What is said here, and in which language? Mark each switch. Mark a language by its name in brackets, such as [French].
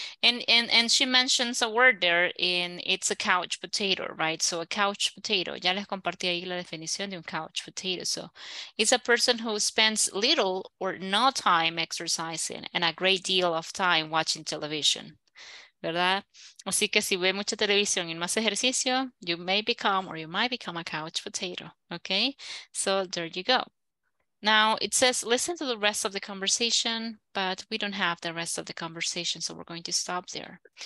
[English] And she mentions a word there in it's a couch potato, right? So a couch potato. [Spanish] Ya les compartí ahí la definición de un couch potato. [English] So it's a person who spends little or no time exercising and a great deal of time watching television. [Spanish] ¿Verdad? Así que si ve mucha televisión y no hace ejercicio, [English] you may become or you might become a couch potato. Okay, so there you go. Now it says, listen to the rest of the conversation, but we don't have the rest of the conversation, so we're going to stop there.